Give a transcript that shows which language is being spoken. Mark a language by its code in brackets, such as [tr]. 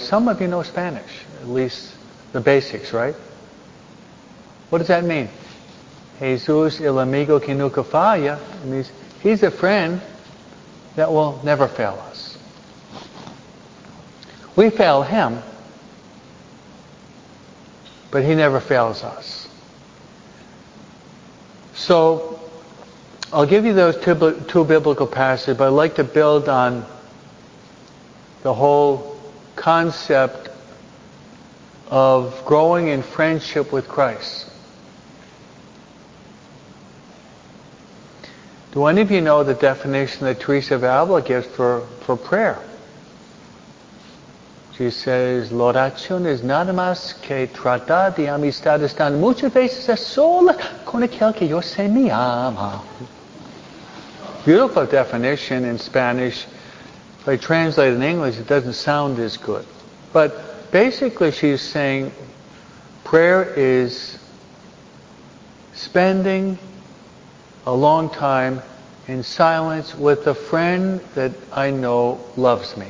[en] Some of you know Spanish, at least the basics, right? What does that mean? [es] Jesús, el amigo que nunca falla. [en] It means he's a friend that will never fail us. We fail Him, but He never fails us. So, I'll give you those two biblical passages, but I'd like to build on the whole concept of growing in friendship with Christ. Do any of you know the definition that Teresa of Avila gives for prayer? She says, [es] La oración es nada más que tratar de amistad estando muchas veces a sola con aquel que yo sé me ama. [en] Beautiful definition in Spanish. If I translate it in English, it doesn't sound as good. But basically she's saying prayer is spending a long time in silence with a friend that I know loves me.